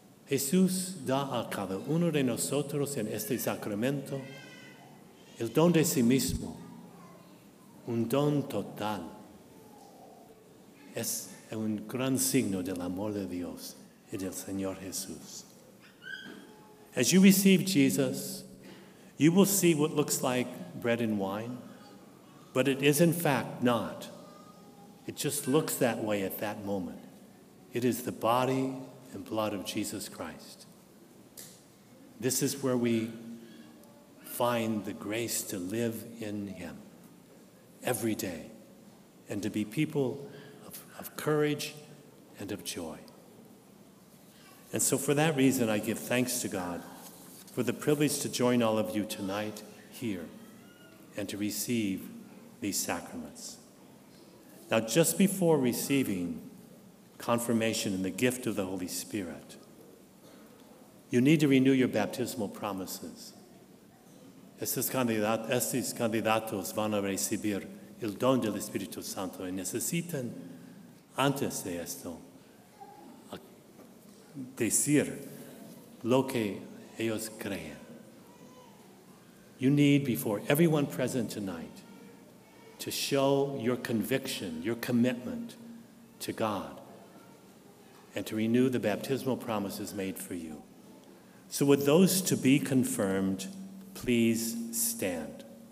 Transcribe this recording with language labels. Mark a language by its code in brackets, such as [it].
[es] Jesús da a cada uno de nosotros en este sacramento el don de sí mismo, un don total. Es un gran signo del amor de Dios y del Señor Jesús. [en] As you receive Jesus, you will see what looks like bread and wine, but it is in fact not. It just looks that way at that moment. It is the body and blood of Jesus Christ. This is where we find the grace to live in him every day and to be people of courage and of joy. And so for that reason, I give thanks to God for the privilege to join all of you tonight here and to receive these sacraments. Now, just before receiving confirmation and the gift of the Holy Spirit, you need to renew your baptismal promises. [es] Estos candidatos van a recibir el don del Espíritu Santo y necesitan antes de esto decir lo que ellos creen. [en] You need, before everyone present tonight, to show your conviction, your commitment to God, and to renew the baptismal promises made for you. So with those to be confirmed, please stand.